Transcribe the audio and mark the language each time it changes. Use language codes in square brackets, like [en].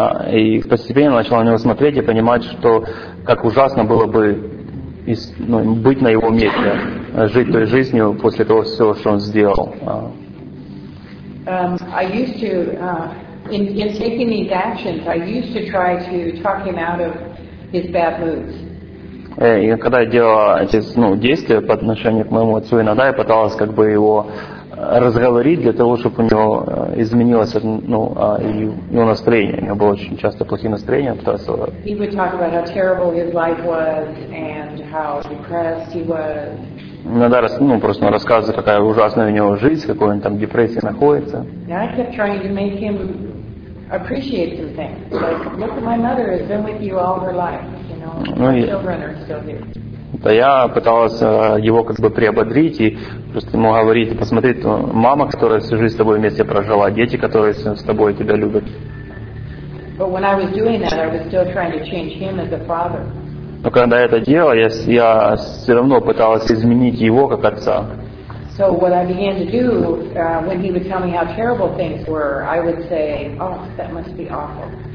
[ru] И постепенно начал на него смотреть и понимать, что как ужасно было бы. Быть на его месте, жить той жизнью после того всего, что он сделал. [en] I used to in taking these actions, I used to try to talk him out of his bad moods. [ru] И когда я делал эти действия по отношению к моему отцу, иногда я пыталась как бы его разговорить для того, чтобы у него изменилось его настроение. У него было очень часто плохие настроения, пытался. [en] He would talk about how terrible his life was and how depressed he was. [ru] Иногда просто рассказывает, какая ужасная у него жизнь, какой он там в депрессии находится. [en] And I kept trying to make him appreciate some things. Like, look at my mother has been with you all her life, children are still here. [ru] Да я пыталась его как бы приободрить и просто ему говорить, посмотреть, мама, которая всю жизнь с тобой вместе прожила, дети, которые с тобой тебя любят. [en] But when I was doing that, I was still trying to change him as a father. [ru] Но когда я это делал, я все равно пыталась изменить его как отца. [en] So what I began to do, when he would tell me how terrible things were, I would say, oh, that must be awful.